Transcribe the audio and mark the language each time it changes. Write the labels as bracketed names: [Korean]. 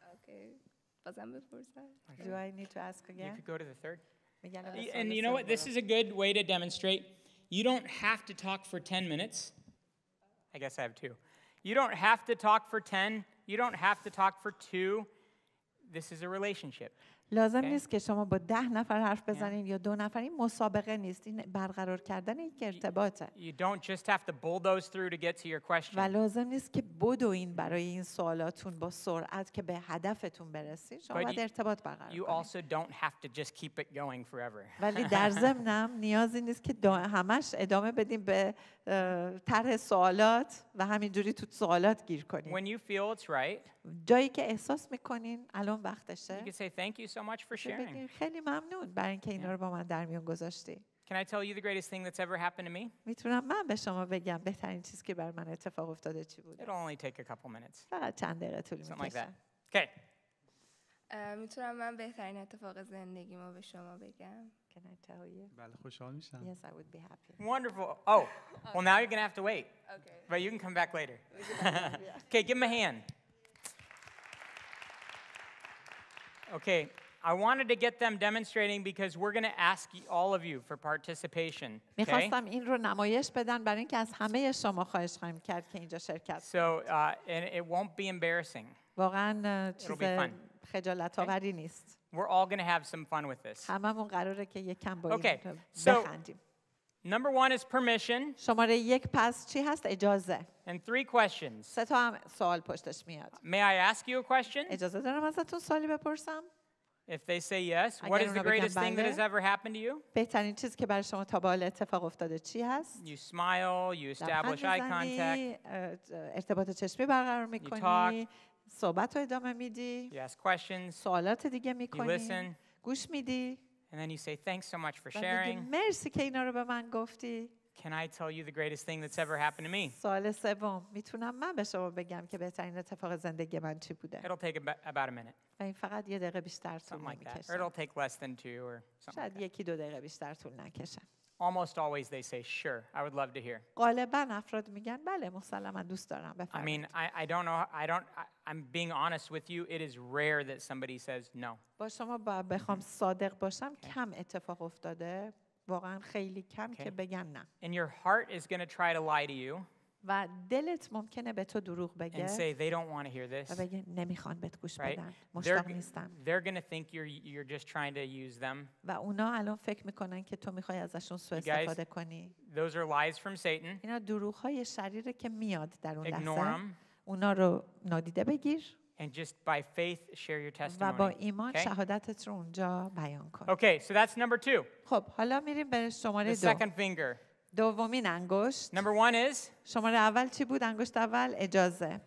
[Persian] Okay. بازم بپرسم. [English] Do I need to ask again? You could go to the third. And you know what? This is a good way to demonstrate. You don't have to talk for 10 minutes. I guess I have two. You don't have to talk for 10. You don't have to talk for two. This is a relationship. [Persian] لازم نیست که شما با 10 نفر حرف بزنید یا 2 نفر. این مسابقه نیست. این برقرار کردن یک ارتباطه. [English] You don't just have to bulldoze through to get to your question. [Persian] و لازم نیست که بدوین برای این سوالاتون با سرعت که به هدفتون برسید. شما باید ارتباط برقرار کنید. [English] You also don't have to just keep it going forever. [Persian] ولی در ضمن نیازی نیست که همش ادامه بدیم به طرح سوالات و همینجوری تو سوالات گیر کنید. [English] When you feel it's right. [Persian] جایی که احساس میکنین الان وقتشه. [English] You can say thank you so much for sharing. [Persian] خیلی ممنون برای اینکه اینا رو با من در میون گذاشتی. [English] Can I tell you the greatest thing that's ever happened to me? [Persian] میتونم من به شما بگم بهترین چیزی که بر من اتفاق افتاده چی بود. [English] It'll only take a couple minutes. [Persian] فقط چند دقیقه طول میکشه. [English] Something like that. Okay. [Persian] میتونم من بهترین اتفاق زندگیمو به شما بگم. [English] Can I tell you? [Persian] بله خوشحال میشم. [English] Yes, I would be happy. Wonderful. Oh, okay. Well now you're going to have to wait. Okay. But you can come back later. Okay, give him a hand. Okay, I wanted to get them demonstrating because we're going to ask all of you for participation. [Persian] می‌خواستم این رو نمایش بدن برای اینکه از همه شما خواهش خواهیم کرد که اینجا شرکت کنید. [English] So, and it won't be embarrassing. [Persian] واقعاً چیز خجالت‌آوری نیست. [English] We're all going to have some fun with this. [Persian] همه‌مون قراره که یک کم با این بخندیم. [English] Number 1 is permission. [Persian] شماره 1 پس چی هست؟ اجازه. [English] And 3 questions. [Persian] سه تا هم سوال پشتش میاد. [English] May I ask you a question? [Persian] اجازه دارم ازتون سوالی بپرسم؟ [English] If they say yes, what is the greatest thing that has ever happened to you? [Persian] بهترین چیزی که برای شما تا به حال اتفاق افتاده چی هست؟ [English] You smile, you establish eye contact. [Persian] ارتباط چشمی برقرار می‌کنی، صحبت رو ادامه میدی. [English] You ask questions. [Persian] سوالات دیگه می‌کنی. [English] You listen. [Persian] گوش میدی. [English] And then you say thanks so much for sharing. [Persian] مرسی که اینا رو به من گفتی. [English] Can I tell you the greatest thing that's ever happened to me? [Persian] سوال سوم میتونم من به شما بگم که بهترین اتفاق زندگی من چی بوده. [English] It'll take about a minute. [Persian] فقط یه دقیقه بیشتر طول نمی‌کشه. [English] It'll take less than 2 or something. [Persian] شاید یکی دو دقیقه بیشتر طول نکشه. [English] Almost always they say sure. I would love to hear. [Persian] غالبا افراد میگن بله مسلماً دوست دارم بفرمایید. [English] I mean I don't know I don't I'm being honest with you it is rare that somebody says no. [Persian] با شما بخوام صادق باشم کم اتفاق افتاده واقعا خیلی کم که بگن نه. [English] And your heart is going to try to lie to you. [Persian] و دلت ممکنه به تو دروغ بگه. [English] And say they don't want to hear this. [Persian] و بگه نمیخوان بهت گوش بدن. مشتاق نیستن. [English] They're going to think you're just trying to use them. [Persian] و اونا الان فکر میکنن که تو میخوای ازشون سوء استفاده کنی. [English] Those are lies from Satan. [Persian] اینا دروغ‌های شریره که میاد در اون لحظه. [English] Ignore them. [Persian] اونا رو نادیده بگیر. [English] And just by faith share your testimony. [Persian] و با ایمان شهادتت رو اونجا بیان کن. [English] Okay, so that's number 2. [Persian] خب حالا میریم به شماره 2. [English] The second finger. [Persian] دومین انگشت. [English] Number 1 is [Persian] شماره اول چی بود؟ انگشت اول اجازه.